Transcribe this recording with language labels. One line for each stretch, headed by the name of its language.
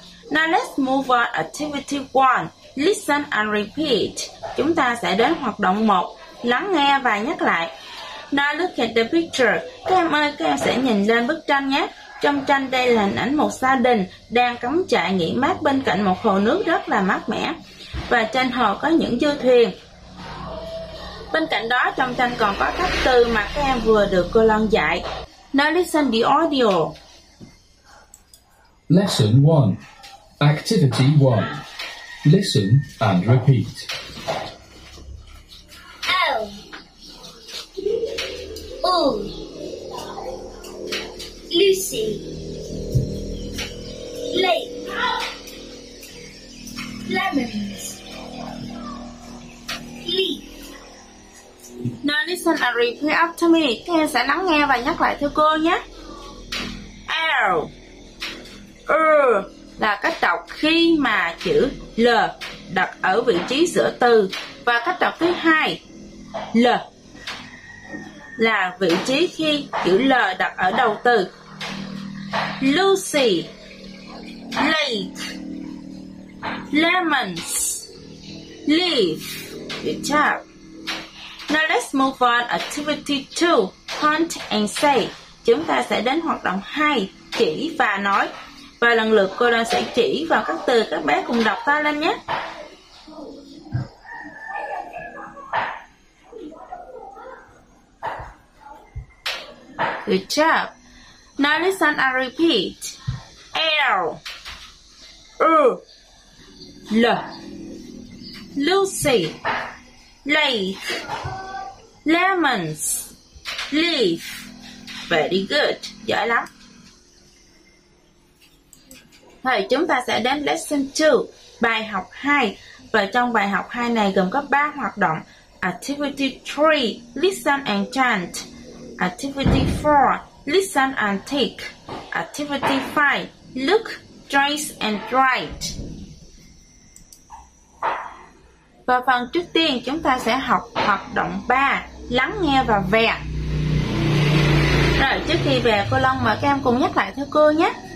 English: Now let's move on activity 1. Listen and repeat.
Vietnamese: Chúng ta sẽ đến hoạt động 1. Lắng nghe và nhắc lại.
English: Now look at the picture.
Vietnamese: Các em ơi, các em sẽ nhìn lên bức tranh nhé. Trong tranh đây là hình ảnh một gia đình đang cắm trại nghỉ mát bên cạnh một hồ nước rất là mát mẻ. Và trên hồ có những du thuyền. Bên cạnh đó trong tranh còn có các từ mà các em vừa được cô Loan dạy.
English: Now listen the audio. Lesson 1. Activity 1. Listen and repeat. Oh. Lucy. Lake. Lemons. Leaf. Now listen and repeat after me.
Vietnamese: Các em sẽ lắng nghe và nhắc lại theo cô nhé. L. R. Là cách đọc khi mà chữ L đặt ở vị trí giữa từ. Và cách đọc thứ hai, L. Là vị trí khi chữ L đặt ở đầu từ.
English: Lucy. Lake. Lemons. Leaf. Good job. Now let's move on activity 2, point and say.
Vietnamese: Chúng ta sẽ đến hoạt động 2, chỉ và nói. Và lần lượt cô đang sẽ chỉ vào các từ, các bé cùng đọc ta lên nhé.
English: Good job. Now listen and repeat. L. U. L. Lucy. Lake. Lemons. Leaf. Very good.
Vietnamese: Giỏi lắm. Rồi chúng ta sẽ đến lesson 2, bài học 2. Và trong bài học 2 này gồm có 3 hoạt động.
English: Activity 3, listen and chant. Activity 4, listen and tick. Activity 5, look, straight and right.
Vietnamese: Và phần trước tiên chúng ta sẽ học hoạt động 3, lắng nghe và vẽ. Rồi trước khi vẽ, cô Long mời các em cùng nhắc lại theo cô nhé.